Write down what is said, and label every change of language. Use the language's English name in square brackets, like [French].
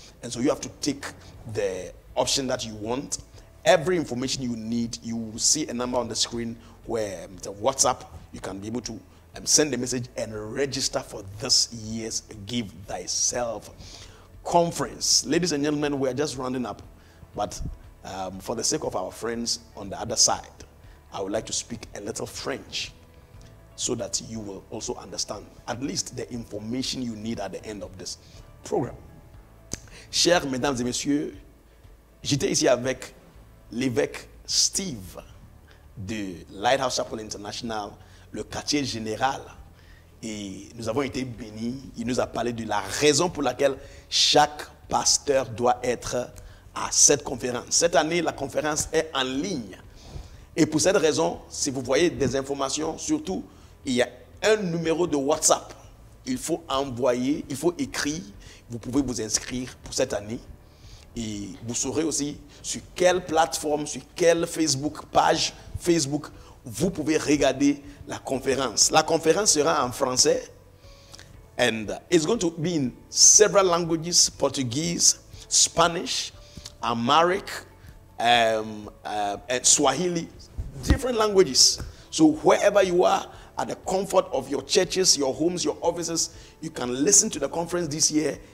[English] And so you have to take the option that you want. Every information you need, you will see a number on the screen where the WhatsApp, you can be able to send a message and register for this year's Give Thyself Conference. Ladies and gentlemen, we are just rounding up, but for the sake of our friends on the other side, I would like to speak a little French so that you will also understand at least the information you need at the end of this program. [French] Chers mesdames et messieurs, j'étais ici avec l'évêque Steve de Lighthouse Chapel International, le quartier général, et nous avons été bénis. Il nous a parlé de la raison pour laquelle chaque pasteur doit être à cette conférence. Cette année, la conférence est en ligne. Et pour cette raison, si vous voyez des informations, surtout, il y a un numéro de WhatsApp. Il faut envoyer, il faut écrire. Vous pouvez vous inscrire pour cette année. Et vous saurez aussi sur quelle plateforme, sur quelle Facebook, page Facebook, vous pouvez regarder la conférence. La conférence sera en français. [English] And it's going to be in several languages, Portuguese, Spanish, Amharic, and Swahili, different languages. So wherever you are, at the comfort of your churches, your homes, your offices, you can listen to the conference this year